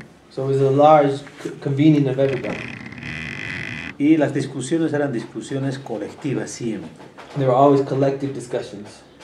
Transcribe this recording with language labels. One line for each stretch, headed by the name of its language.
English: So it was a large convening of everybody.
Spanish: Y las discusiones eran discusiones colectivas siempre.
English: There were always collective discussions.